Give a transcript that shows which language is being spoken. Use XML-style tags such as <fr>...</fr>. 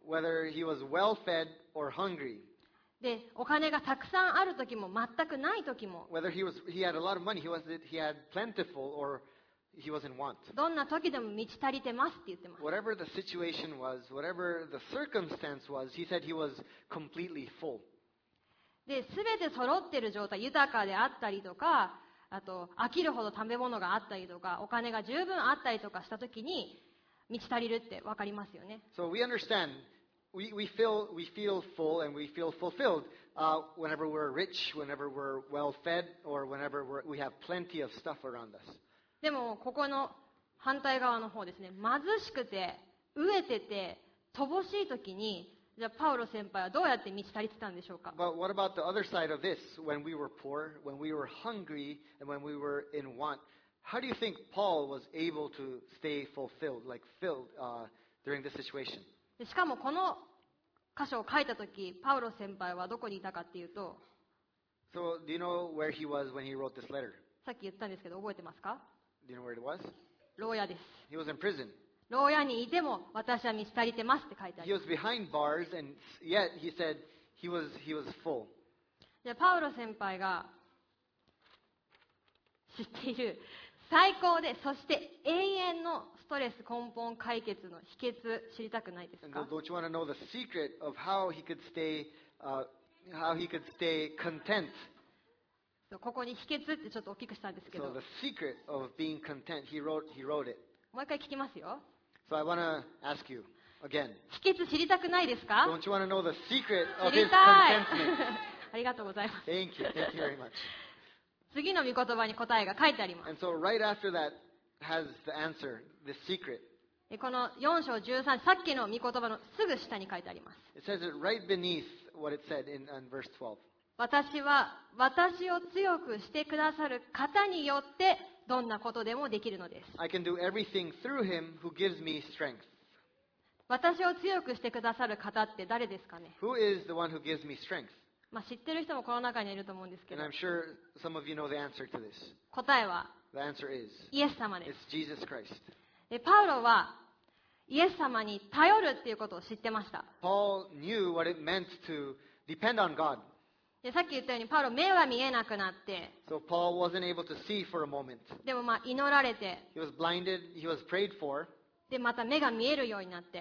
<en>Whether he was well fed or hungry.</en> <ja>で、お金がたくさんある時も全くない時も。</ja> <en>Whether he had a lot of money, he had plentiful, or he was in want.</en> <ja>どんな時でも満ち足りてますって言ってます。</ja> <en>Whatever the situation was, whatever the circumstance was, he said he was completely full.</en> <ja>で、すべて揃ってる状態、豊かであったりとか、あと飽きるほど食べ物があったりとか、お金が十分あったりとかした時に満ち足りるって分かりますよね。</ja> <en>So we understand. We feel full and we feel fulfilled、whenever we're rich, whenever we're well fed, or whenever we have plenty of stuff around us.</en> <ja>でもここの反対側の方ですね、貧しくて飢えてて乏しい時に、じゃあパウロ先輩はどうやって満ち足りてたんでしょうか。</ja> <en>But what about the other side of this? When we were poor, when we were hungry, and when we were in want, how do you think Paul was able to stay fulfilled, like filled, during this situation?</en> <ja>でしかもこの箇所を書いたとき、パウロ先輩はどこにいたかっていうと、</ja> <en>So, do you know where he was when he wrote this letter?</en> <ja>さっき言ったんですけど、覚えてますか?</ja> <en>Do you know where it was?</en> <ja>牢屋です。</ja> <en>He was in prison.</en> <ja>牢屋にいても私は満ち足りてますって書いてあります</ja> <en>。He was behind bars, and yet he said he was full.</en> <ja>じゃあパウロ先輩が知っている最高で、そして永遠のストレス根本解決の秘訣知りたくないですか?</ja> <en>And don't you want to know the secret of how he could stay, how he could stay content?</en> <ja>ここに秘訣ってちょっと大きくしたんですけど。</ja> <en>So the secret of being content, he wrote it.</en> <ja>もう一回聞きますよ。</ja> <en>So I want to ask you again.</en> <ja>秘訣知りたくないですか?</ja> <en>Don't you want to know the secret of his contentment?</en> <ja>ありがとうございます。</ja> <en>Thank you very much.</en> <ja>次の御言葉に答えが書いてあります。</ja> <en>And so right after that has the answer, the secret.</en> <ja>この4章13、さっきの御言葉のすぐ下に書いてあります。</ja> <en>It says it right beneath what it said in verse 12.</en> <ja>私は私を強くしてくださる方によってどんなことでもできるのです。</ja> <en>I can do everything through him who gives me strength.</en> <ja>私を強くしてくださる方って誰ですかね?</ja> <en>Who is the one who gives me strength?</en> <ja>まあ、知ってる人もこの中にいると思うんですけど。</ja> <en>And I'm sure some of you know the answer to this.</en> <ja>答えは、</ja> <en>The answer is,</en> <ja>イエス様です。</ja> <en>It's Jesus Christ.</en> <ja>で、パウロはイエス様に頼るっていうことを知ってました。</ja> <en>Paul knew what it meant to depend on God.</en> <ja>で、さっき言ったようにパウロ目は見えなくなって。</ja> <en>So Paul wasn't able to see for a moment.</en> <ja>でもまあ祈られて。</ja> <en>He was blinded, he was prayed for.</en> <ja>で、また目が見えるようになって。</ja>